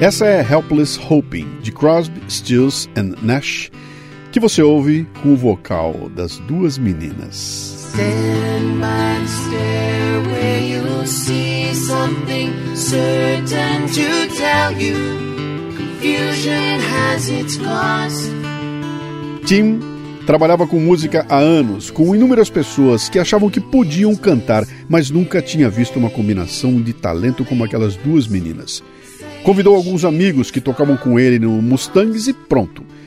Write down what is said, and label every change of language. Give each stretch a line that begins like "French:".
Portuguese: Essa é Helpless Hoping, de Crosby, Stills and Nash, que você ouve com o vocal das duas meninas.
English: Stand by the stairway, you'll see something certain to tell you. Confusion has its cost.
Portuguese: Tim trabalhava com música há anos, com inúmeras pessoas que achavam que podiam cantar, mas nunca tinha visto uma combinação de talento como aquelas duas meninas. Convidou alguns amigos que tocavam com ele no Mustangs e pronto.